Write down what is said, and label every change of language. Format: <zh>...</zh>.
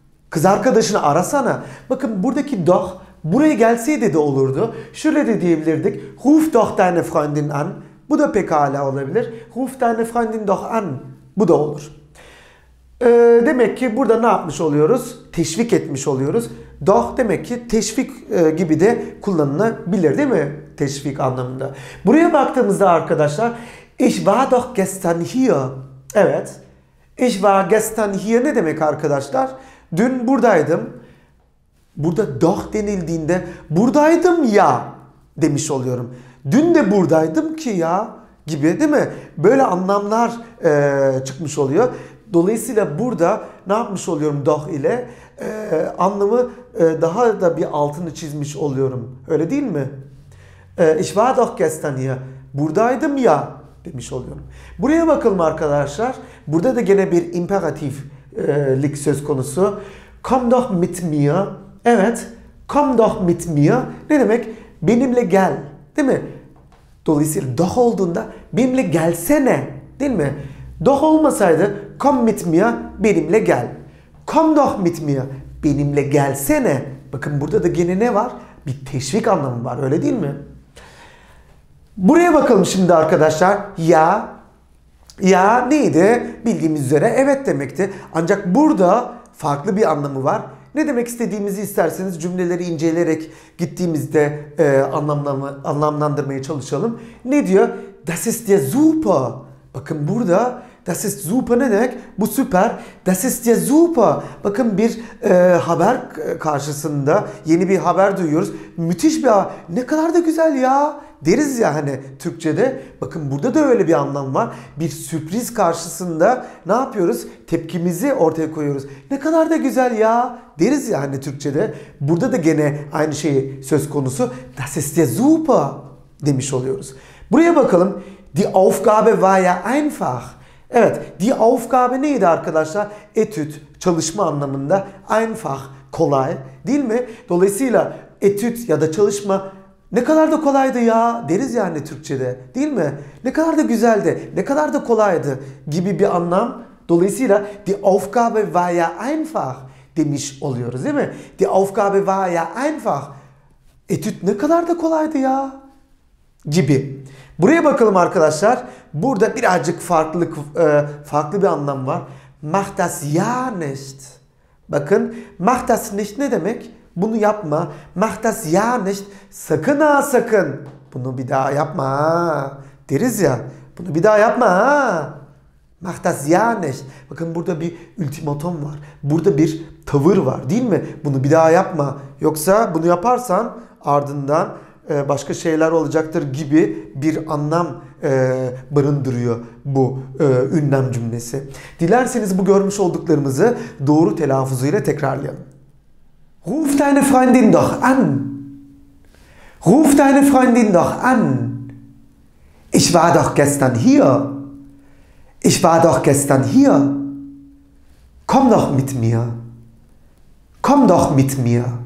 <tr>Kız arkadaşını arasana. Bakın buradaki doch buraya gelseydi de olurdu. Şöyle de diyebilirdik.</tr> <de>Ruf doch deine Freundin an.</de> <tr>Bu da pekala olabilir.</tr> <de>Ruf deine Freundin doch an.</de> <tr>Bu da olur. Demek ki burada ne yapmış oluyoruz? Teşvik etmiş oluyoruz. Doch demek ki teşvik gibi de kullanılabilir, değil mi? Teşvik anlamında. Buraya baktığımızda arkadaşlar,</tr> <de>ich war doch gestern hier.</de> <tr>Evet.</tr> <de>Ich war gestern hier</de> <tr>ne demek arkadaşlar? Dün buradaydım. Burada doch denildiğinde buradaydım ya demiş oluyorum. Dün de buradaydım ki ya gibi, değil mi? Böyle anlamlar çıkmış oluyor. Dolayısıyla burada ne yapmış oluyorum doch ile? Anlamı daha da bir altını çizmiş oluyorum. Öyle değil mi?</tr> <de>Ich war doch gestern hier.</de> <tr>Buradaydım ya demiş oluyorum. Buraya bakalım arkadaşlar. Burada da gene bir imperatiflik söz konusu.</tr> <de>Komm doch mit mir.</de> <tr>Evet.</tr> <de>Komm doch mit mir.</de> <tr>Ne demek? Benimle gel. Değil mi? Dolayısıyla doch olduğunda benimle gelsene. Değil mi? Doch olmasaydı</tr> <de>komm mit mir,</de> <tr>benimle gel.</tr> <de>Komm doch mit mir,</de> <tr>benimle gelsene. Bakın burada da gene ne var? Bir teşvik anlamı var, öyle değil mi? Buraya bakalım şimdi arkadaşlar. Ya, ya neydi? Bildiğimiz üzere evet demekti. Ancak burada farklı bir anlamı var. Ne demek istediğimizi isterseniz cümleleri inceleyerek gittiğimizde anlamlandırmaya çalışalım. Ne diyor?</tr> <de>Das ist ja super.</de> <tr>Bakın burada</tr> <de>das ist super</de> <tr>ne demek? Bu süper.</tr> <de>Das ist ja super.</de> <tr>Bakın bir haber karşısında yeni bir haber duyuyoruz. Müthiş bir haber. Ne kadar da güzel ya deriz ya hani Türkçe'de. Bakın burada da öyle bir anlam var. Bir sürpriz karşısında ne yapıyoruz? Tepkimizi ortaya koyuyoruz. Ne kadar da güzel ya deriz ya hani Türkçe'de. Burada da gene aynı şey söz konusu.</tr> <de>Das ist ja super</de> <tr>demiş oluyoruz. Buraya bakalım.</tr> <de>Die Aufgabe war ja einfach.</de> <tr>Evet, die Aufgabe neydi arkadaşlar? Etüt, çalışma anlamında. Einfach, kolay, değil mi? Dolayısıyla etüt ya da çalışma Ne kadar da kolaydı ya deriz yani Türkçe'de, değil mi? Ne kadar da güzeldi, ne kadar da kolaydı gibi bir anlam. Dolayısıyla</tr> <de>die Aufgabe war ja einfach</de> <tr>demiş oluyoruz, değil mi?</tr> <de>Die Aufgabe war ja einfach.</de> <tr>Etüt ne kadar da kolaydı ya gibi. Buraya bakalım arkadaşlar. Burada birazcık farklı bir anlam var.</tr> <de>Mach das ja nicht.</de> <tr>Bakın,</tr> <de>mach das nicht</de> <tr>ne demek? Bunu yapma.</tr> <de>Mach das ja nicht.</de> <tr>Sakın ha sakın. Bunu bir daha yapma ha. Deriz ya. Bunu bir daha yapma ha. Mach das ja nicht. Bakın burada bir ultimatum var. Burada bir tavır var, değil mi? Bunu bir daha yapma. Yoksa bunu yaparsan ardından başka şeyler olacaktır gibi bir anlam barındırıyor bu ünlem cümlesi. Dilerseniz bu görmüş olduklarımızı doğru telaffuzuyla tekrarlayalım.</tr> <de>Ruf deine Freundin doch an. Ruf deine Freundin doch an. Ich war doch gestern hier. Ich war doch gestern hier. Komm doch mit mir. Komm doch mit mir.</de>